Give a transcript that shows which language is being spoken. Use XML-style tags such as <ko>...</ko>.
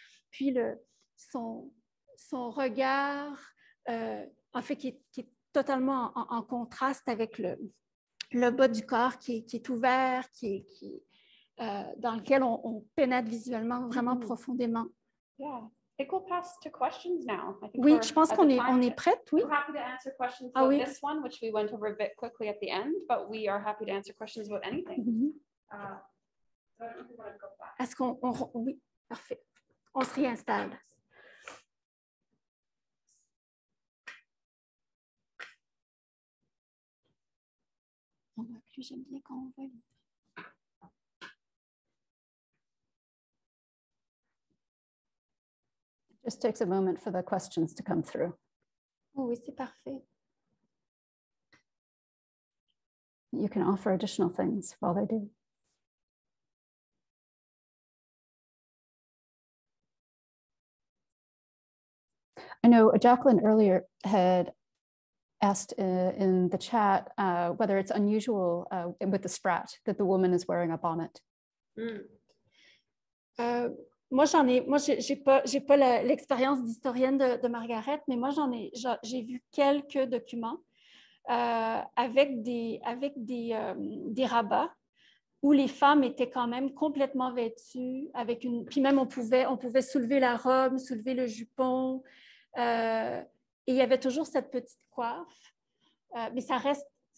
<fr>Puis son regard, en fait, qui est totalement en contraste avec le bas du corps qui est ouvert, dans lequel on pénètre visuellement vraiment profondément.</fr> <en>Yeah, I think we'll pass to questions now.</en> <fr>Oui, je pense qu'on est prête, oui.</fr> <en>We're happy to answer questions about this one, which we went over a bit quickly at the end, but we are happy to answer questions about anything. Mm-hmm.</en> <fr>Est-ce qu'on... Oui, parfait. On se réinstalle. J'aime bien quand on voit.</fr> <en>Just takes a moment for the questions to come through.</en> <fr>Oui, c'est parfait.</fr> <en>You can offer additional things while they do. I know Jacqueline earlier had asked in the chat whether it's unusual with the sprat that the woman is wearing a bonnet.</en> <fr>Moi, j'ai pas l'expérience d'historienne de Margaret, mais moi, j'ai vu quelques documents avec des rabats où les femmes étaient quand même complètement vêtues, avec une, puis même on pouvait soulever la robe, soulever le jupon, et il y avait toujours cette petite coiffe, mais ça reste.</fr>